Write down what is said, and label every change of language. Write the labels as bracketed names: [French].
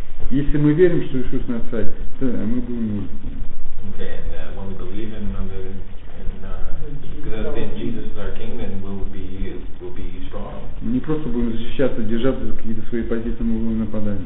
[Russian] Если мы верим, что Иисус наш царь, то мы будем мудрыми. [English] Okay, and when we believe in another. Because Jesus is our king, then we'll be strong. [Russian] Не просто будем защищаться, держаться за какие-то свои позиции, мы будем нападать.